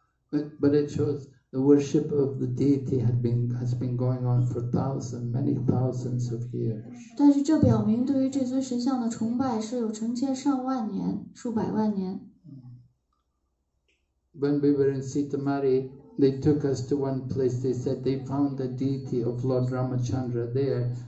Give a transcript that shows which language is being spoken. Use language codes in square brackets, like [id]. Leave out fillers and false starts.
[en] But it shows the worship of the deity has been going on for many thousands of years. [zh] 但是这表明，对于这尊神像的崇拜是有成千上万年、数百万年。 [en] When we were in Sitamari, they took us to one place. They said they found the deity of Lord Ramachandra there.